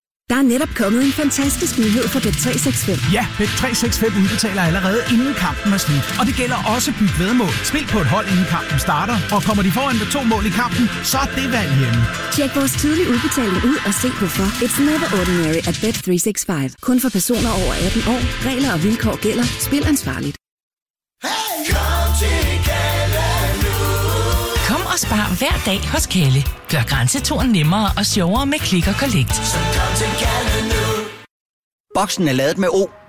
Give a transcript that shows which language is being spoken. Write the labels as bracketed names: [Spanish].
[Danish] Der er netop kommet en fantastisk nyhed for Bet365. Ja, Bet365 udbetaler allerede inden kampen er slut. Og det gælder også byt vedmål. Spil på et hold, inden kampen starter. Og kommer de foran med 2 mål i kampen, så er det valg hjemme. Tjek vores tidlige udbetaling ud og se hvorfor. [English] It's never ordinary at Bet365. [Danish] Kun for personer over 18 år. Regler og vilkår gælder. Spil ansvarligt. Hey, og spar hver dag hos Kalle. Gør grænseturen nemmere og sjovere med klik og collect. Boksen er ladet med O.